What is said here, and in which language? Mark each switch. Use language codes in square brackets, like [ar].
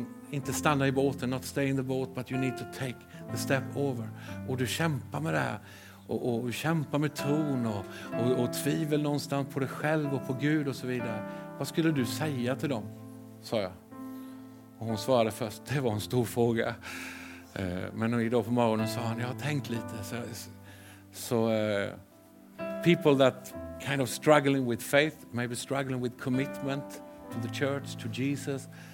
[sv] Inte stanna i båten, [en] not stay in the boat, but you need to take the step over. [sv] Och du kämpar med det här, och kämpar med tron och tvivel någonstans på dig själv och på Gud och så vidare. Vad skulle du säga till dem, sa jag. Och hon svarade först, det var en stor fråga. Men idag på morgonen sa han, jag har tänkt lite. [en] Så people that kind of struggling with faith, maybe struggling with commitment to the church, to Jesus.